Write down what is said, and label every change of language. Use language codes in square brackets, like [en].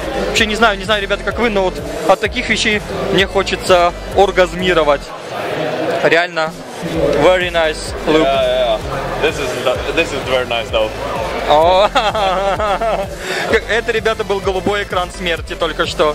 [ru] Вообще не знаю, ребят, как вы, но вот от таких вещей мне хочется оргазмировать. Реально. [en] Very nice loop. Yeah, yeah, yeah. This is very nice though. Oh. [ru] Это, ребята, был голубой экран смерти только что.